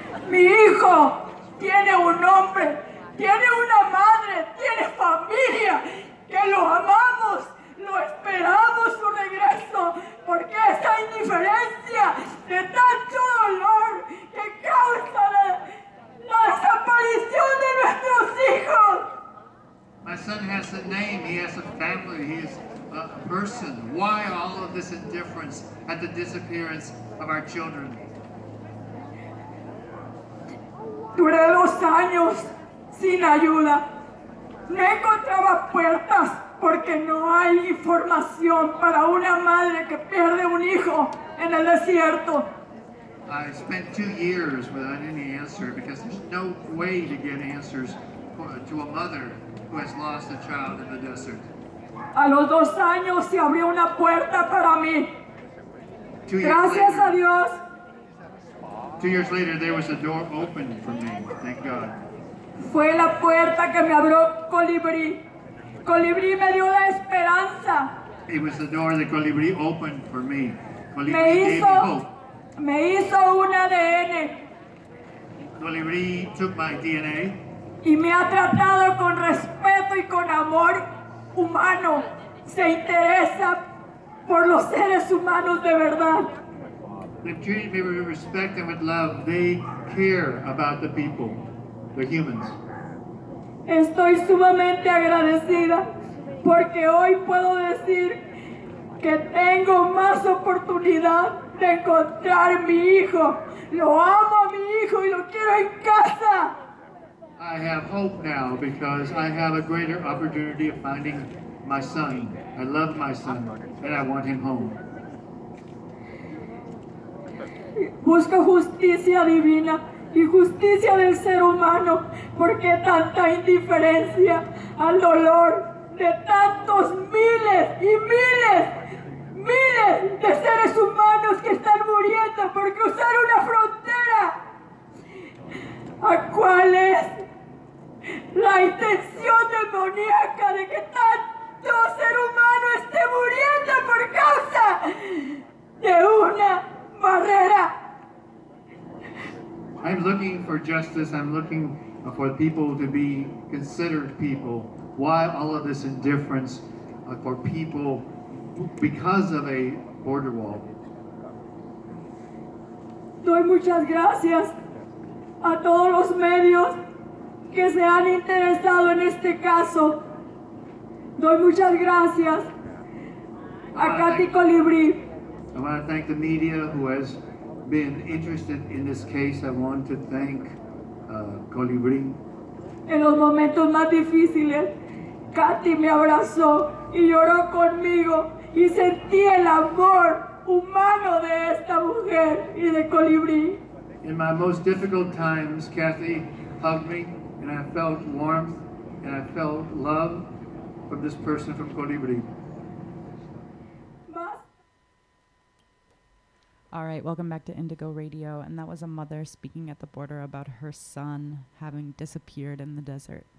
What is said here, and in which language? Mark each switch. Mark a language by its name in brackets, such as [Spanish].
[Spanish] Mi hijo tiene un nombre, tiene una madre, tiene familia, que lo amamos, lo esperamos su regreso, porque esta indiferencia de tanto dolor que causa la desaparición de nuestros hijos. [English] My son has a name, he has a family, he is a person. Why all of this indifference at the disappearance of our children? [Spanish] Duré dos años sin ayuda. No encontraba puertas porque no hay información para una madre que pierde un hijo en el desierto. [English] I spent 2 years without any answer because there's no way to get answers to a mother who has lost a child in the desert. [Spanish] A los dos años se abrió una puerta para mí. Gracias a Dios. [English] 2 years later, there was a door open for me. Thank God. [Spanish] Fue la puerta que me abrió Colibrí. Colibrí me dio la esperanza. [English] It was the door that Colibrí opened for me. [Spanish] Colibrí me hizo, me hizo un ADN. [English] Colibrí took my DNA. [Spanish] Y me ha tratado con respeto y con amor humano. Se interesa por los seres humanos de verdad. [English] They've treated me with respect and with love. They care about the people, the humans. [Spanish] Estoy sumamente agradecida porque hoy puedo decir que tengo más oportunidad de encontrar mi hijo. Lo amo a mi hijo y lo quiero en casa. [English] I have hope now because I have a greater opportunity of finding my son. I love my son and I want him home. [Spanish] Busco justicia divina y justicia del ser humano. ¿Por qué tanta indiferencia al dolor de tantos miles y miles, miles de seres humanos que están muriendo por cruzar una frontera? ¿A cuál es la intención demoníaca de que tanto ser humano esté muriendo por causa de una barrera? [English] I'm looking for justice. I'm looking for people to be considered people. Why all of this indifference for people because of a border wall? [Spanish] Doy muchas gracias a todos los medios que se han interesado en este caso. Doy muchas gracias a Katy Colibri. [English] I want to thank the media who has been interested in this case. I want to thank Colibri. [Spanish] En los momentos más difíciles, Katy me abrazó y lloró conmigo y sentí el amor humano de esta mujer y de Colibri. [English] In my most difficult times, Kathy hugged me and I felt warmth and I felt love from this person, from Colibri. All right, welcome back to Indigo Radio. And that was a mother speaking at the border about her son having disappeared in the desert.